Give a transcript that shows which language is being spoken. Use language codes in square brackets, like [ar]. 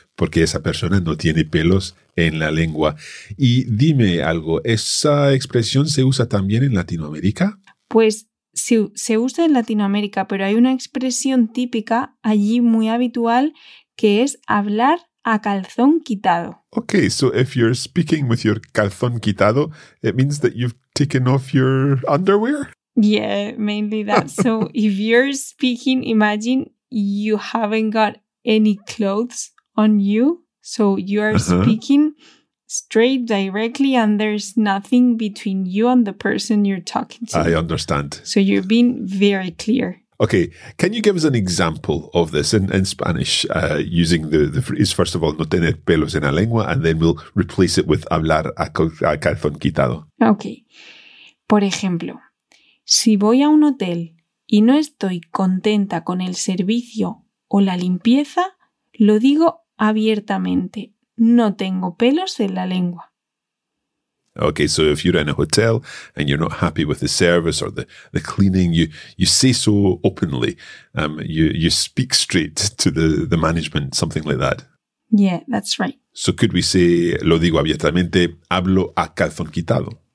[es] Porque esa persona no tiene pelos en la lengua. Y dime algo, ¿esa expresión se usa también en Latinoamérica? Pues sí, se usa en Latinoamérica, pero hay una expresión típica allí muy habitual que es hablar a calzón quitado. [en] Okay, so if you're speaking with your calzón quitado, it means that you've taken off your underwear? Yeah, mainly that. So if you're speaking, imagine you haven't got any clothes on you, so you are speaking straight, directly, and there's nothing between you and the person you're talking to. I understand. So you've been very clear. Okay, can you give us an example of this in Spanish, using the phrase, first of all, [es] no tener pelos en la lengua, [en] and then we'll replace it with [es] hablar a calzón quitado. Okay, por ejemplo, si voy a un hotel y no estoy contenta con el servicio o la limpieza, lo digo abiertamente, no tengo pelos en la lengua. [en] Okay, so if you're in a hotel and you're not happy with the service or the cleaning, you say so openly. You speak straight to the management, something like that. Yeah, that's right. So could we say, [es] lo digo abiertamente, hablo a calzón quitado?